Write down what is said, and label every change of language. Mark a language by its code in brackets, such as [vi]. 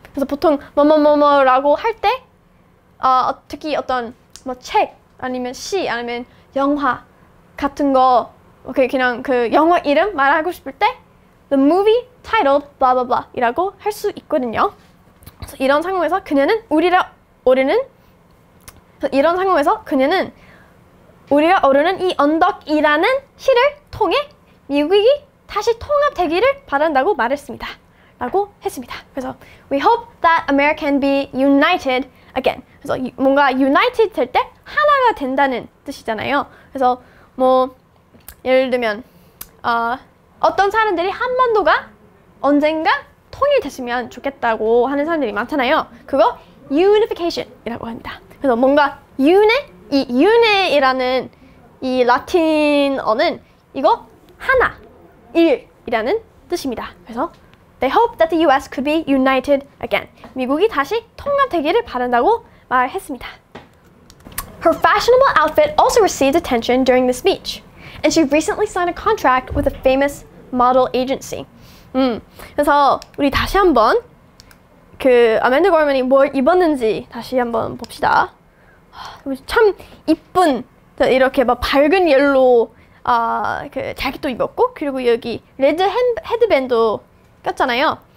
[ko] 그래서 보통 뭐뭐뭐뭐라고 할 때 특히 어떤 뭐 책 아니면 시 아니면 영화 같은 거 오케이 그냥 그 영화 이름 말하고 싶을 때 [en] The movie titled blah blah blah [ko] 이라고 할 수 있거든요. 그래서 이런 상황에서 그녀는 우리가 오르는 이런 상황에서 그녀는 우리가 오르는 이 언덕이라는 시를 통해 미국이 다시 통합되기를 바란다고 말했습니다. 라고 했습니다. 그래서 [en] We hope that America can be united again. [ko] 그래서 뭔가 united 될 때 하나가 된다는 뜻이잖아요. 그래서 뭐 예를 들면 어떤 사람들이 한반도가 언젠가 통일됐으면 좋겠다고 하는 사람들이 많잖아요. 그거 unification이라고 합니다. 그래서 뭔가 unit이라는 이 라틴어는 이거 하나, 일이라는 뜻입니다. 그래서 [en] They hope that the U.S. could be united again. [ko] 미국이 다시 통합되기를 바란다고 말했습니다. [en] Her fashionable outfit also received attention during the speech. And she recently signed a contract with a famous model agency. [ko] 그래서 우리 다시 한번 그 아멘드 걸먼이 뭘 입었는지 다시 한번 봅시다. 참 이쁜 이렇게 막 밝은 옐로 아, 그 자켓도 입었고 그리고 여기 레드 헤드밴드 꼈잖아요.